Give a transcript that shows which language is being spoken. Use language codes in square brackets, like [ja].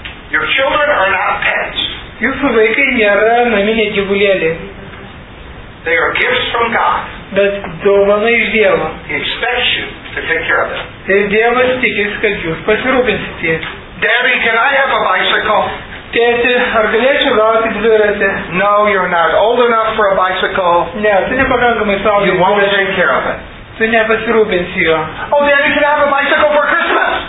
[en] Your children are not pets. [lt] Jūsų vaikai nėra naminė gyvulėlė. [en] They are gifts from God. [lt] Bet dovana iš Dievo. [en] He expects you to take care of them. [lt] Ir Dievas tikis, kad jūs pasirūpinsite. [en] Daddy, can I have a bicycle? [lt] Tėti, ar galėčiau gauti dviratį? [en] No, you're not old enough for a bicycle. [lt] Ne, tu nepakankamai saugus. [en] You won't take care of it. [lt] Tu nepasirūpinsi jo. [en] Oh, then you can have a bicycle for Christmas.